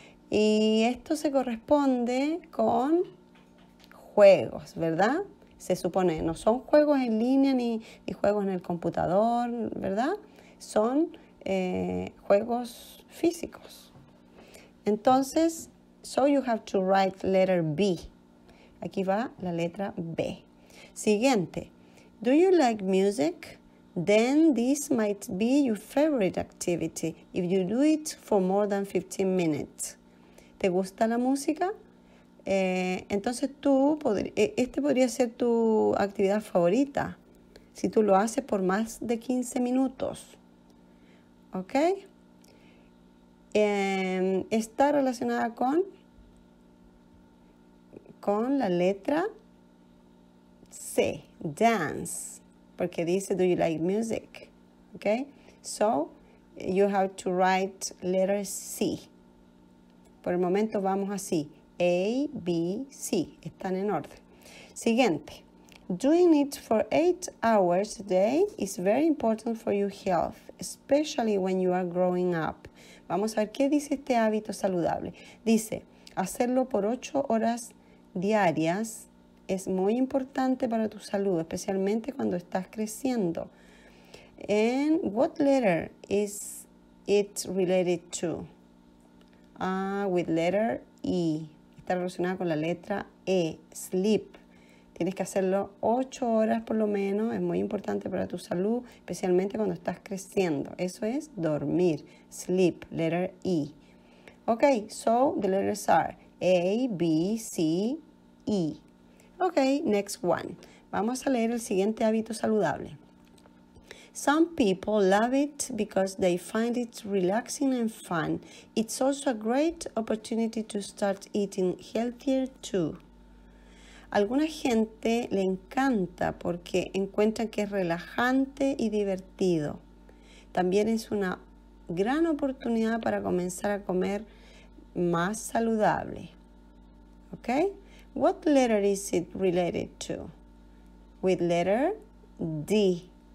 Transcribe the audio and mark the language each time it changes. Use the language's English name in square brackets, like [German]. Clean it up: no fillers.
[Spanish] Y esto se corresponde con juegos, ¿verdad? Se supone, no son juegos en línea ni juegos en el computador, ¿verdad? Son juegos físicos. [English] Entonces, so you have to write letter B. [Spanish] Aquí va la letra B. Siguiente. [English] Do you like music? Then this might be your favorite activity if you do it for more than 15 minutes. [Spanish] ¿Te gusta la música? Entonces tú, este podría ser tu actividad favorita si tú lo haces por más de 15 minutos. ¿Ok? Está relacionada con la letra C, dance, porque dice, [English] do you like music? [Spanish] ¿Ok? [English] So, you have to write letter C. [Spanish] Por el momento vamos así. A, B, C. Están en orden. Siguiente. [English] Doing it for 8 hours a day is very important for your health, especially when you are growing up. [Spanish] Vamos a ver qué dice este hábito saludable. Dice, hacerlo por 8 horas diarias es muy importante para tu salud, especialmente cuando estás creciendo. [English] And what letter is it related to? With letter E. [Spanish] Está relacionada con la letra E, sleep. Tienes que hacerlo 8 horas por lo menos. Es muy importante para tu salud, especialmente cuando estás creciendo. Eso es dormir, sleep, letter E. [English] Ok, so the letters are A, B, C, E. Ok, next one. [Spanish] Vamos a leer el siguiente hábito saludable. [English] Some people love it because they find it relaxing and fun. It's also a great opportunity to start eating healthier too. [Spanish] Alguna gente le encanta porque encuentran que es relajante y divertido. También es una gran oportunidad para comenzar a comer más saludable. [English] Okay? What letter is it related to? With letter D.